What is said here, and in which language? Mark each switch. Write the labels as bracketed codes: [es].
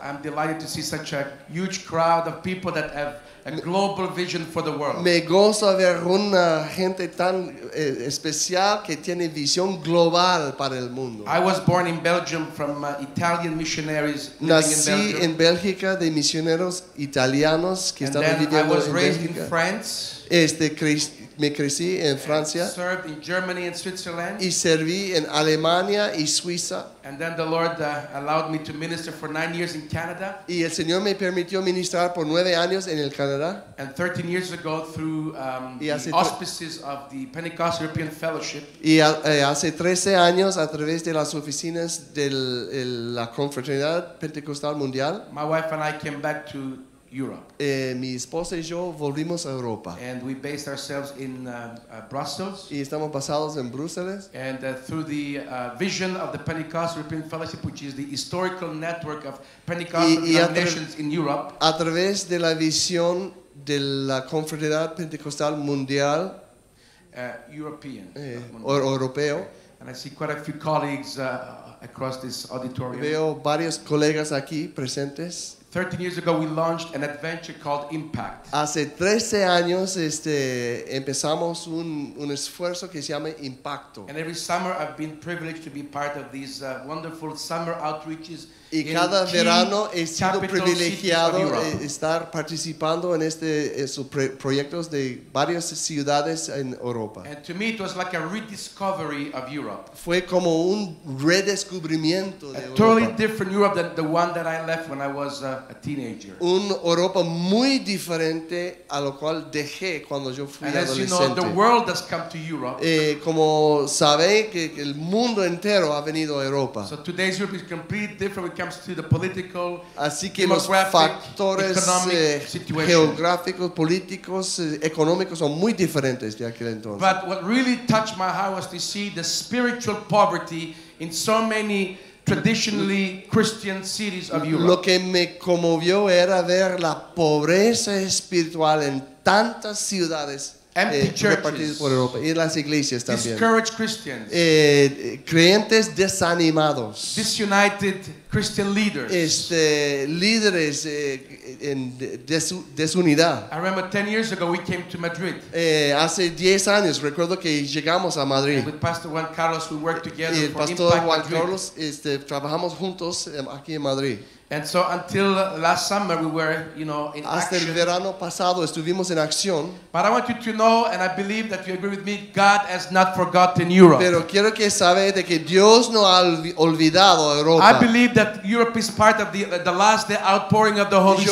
[en] I'm delighted to see such a huge crowd of people that have a global vision for the world. [es] Me gozo a ver una gente tan especial que tiene visión global para el mundo. [en] I was born in Belgium from Italian missionaries living [es] Nací [en] in Belgium. [es] Nací en Bélgica de misioneros italianos que [en] and [es] estaban viviendo en Bélgica. [en] And then I was raised in France. [es] Me crecí en Francia. [en] And served in Germany and Switzerland. [es] Y serví en Alemania y Suiza. [en] And then the Lord allowed me to minister for 9 years in Canada. [es] Y el Señor me permitió ministrar por 9 años en el Canadá. [en] And 13 years ago through the auspices of the Pentecost European Fellowship. [es] Y hace 13 años a través de las oficinas de la Confraternidad Pentecostal Mundial. [en] My wife and I came back to Europe. [es] Mi esposa y yo volvimos a Europa. [en] And we based ourselves in Brussels. [es] Y estamos basados en Bruselas. [en] And through the vision of the Pentecost European Fellowship, which is the historical network of Pentecost nations in Europe. [es] A través de la visión de la Confraternidad Pentecostal Mundial. [en] European. [es] Europeo. [en] And I see quite a few colleagues across this auditorium. [es] Veo varios colegas aquí presentes. [en] 13 years ago, we launched an adventure called Impact. [es] Hace 13 años empezamos un esfuerzo que se llama Impacto. [en] And every summer, I've been privileged to be part of these wonderful summer outreaches. [es] Y cada verano he sido privilegiado estar participando en esos proyectos de varias ciudades en Europa. [en] And to me, it was like a rediscovery of Europe. [es] Fue como un redescubrimiento de [en] Europa. A totally different Europe than the one that I left when I was a teenager. [es] Un Europa muy diferente a lo cual dejé cuando yo fui adolescente. [en] And as you know, the world has come to Europe. [es] Como sabéis que el mundo entero ha venido a Europa. [en] So today's Europe is completely different. When it comes to the political, [es] así que los factores geográficos, políticos, económicos son muy diferentes de aquel entonces. [en] But what really touched my heart was to see the spiritual poverty in so many traditionally Christian cities of Europe. [es] Lo que me conmovió era ver la pobreza espiritual en tantas ciudades. [en] Empty churches, [es] por Europa, y las iglesias también. [en] Discouraged Christians, [es] creyentes desanimados. [en] Disunited Christian leaders, [es] líderes en desunidad. [en] I remember 10 years ago we came to Madrid. [es] Hace 10 años recuerdo que llegamos a Madrid. [en] And with Pastor Juan Carlos, we worked together for Impact [es] Madrid. Pastor Juan Madrid. Carlos, trabajamos juntos aquí en Madrid. [en] And so until last summer, we were, you know, in [es] hasta [en] action. [es] El verano pasado estuvimos en acción. [en] But I want you to know, and I believe that you agree with me, God has not forgotten Europe. [es] Pero quiero que sabe de que Dios no ha olvidado Europa. [en] I believe that Europe is part of the last day outpouring of the Holy